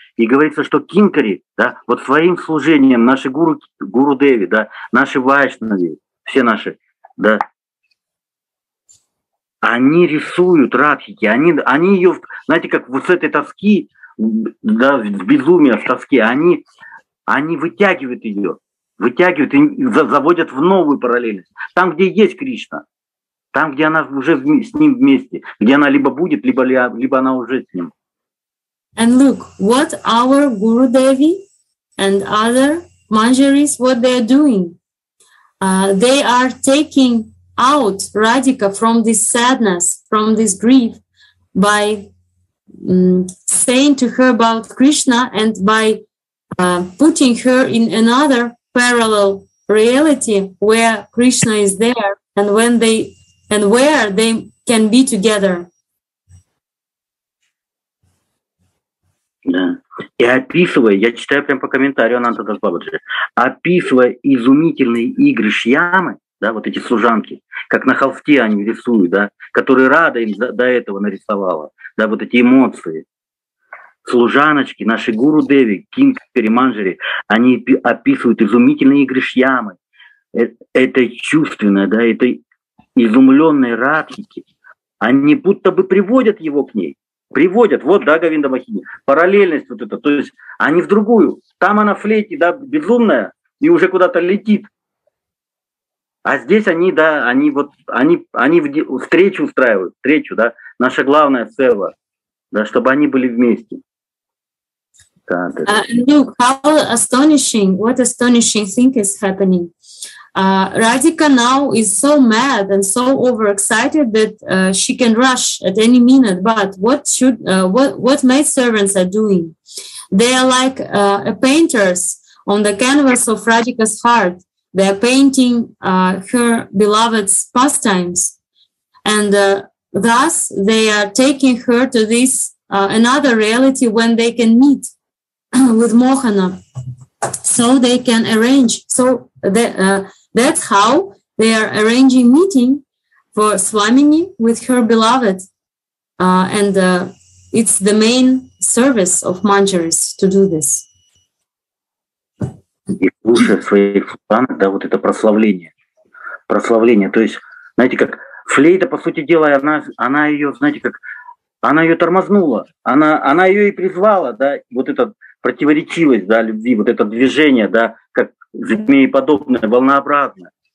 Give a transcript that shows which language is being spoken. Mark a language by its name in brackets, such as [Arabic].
[Russian] И говорится, что Кинкари, да, вот своим служением, наши гуру Деви, да, наши вайшнави, все наши, да, они рисуют Радхики, они ее, знаете, как вот с этой тоски, да, с безумия, с тоски, они вытягивают ее, вытягивают и заводят в новую параллельность, там, где есть Кришна. Там, где она уже с ним вместе, где она либо будет, либо она уже с ним. [English] And look, what our Guru Devi and other Manjaris, what they are doing? They are taking out Radhika from this sadness, from this grief, by saying to her about Krishna and by putting her in another parallel reality where Krishna is there, and when they and where they can be together. [Russian] Да. И описывая, я читаю прямо по комментарию Ананта Дас Бабаджи, описывая изумительные игры Шьямы, да, вот эти служанки, как на холсте они рисуют, да, которые Рада им до этого нарисовала, да, вот эти эмоции. Служаночки, наши гуру Деви, Кинг Переманджери, они описывают изумительные игры Шьямы. Это чувственное, да, это изумленные Радхики, они будто бы приводят его к ней. Приводят, вот, да, Говинда Махини, параллельность вот эта, то есть они в другую. Там она в флейте, да, безумная, и уже куда-то летит. А здесь они, да, они вот, они встречу устраивают, встречу, да, наша главная сева, да, чтобы они были вместе. [English] Look, how astonishing, what astonishing thing is happening. Radhika now is so mad and so overexcited that she can rush at any minute. But what should what maidservants are doing? They are like painters on the canvas of Radhika's heart. They are painting her beloved's pastimes, and thus they are taking her to this another reality when they can meet with Mohana, so they can arrange so that. That's how they are arranging meeting for Swamini with her beloved. It's the main service of Manjaris to do this. [Russian] И слушая своих служанок, да, вот это прославление. Прославление. То есть, знаете, как флейта, по сути дела, она ее, знаете, как она ее тормознула. Она ее и призвала, да, вот эта противоречивость, да, любви, вот это движение, да, как змееподобная, волнообразная.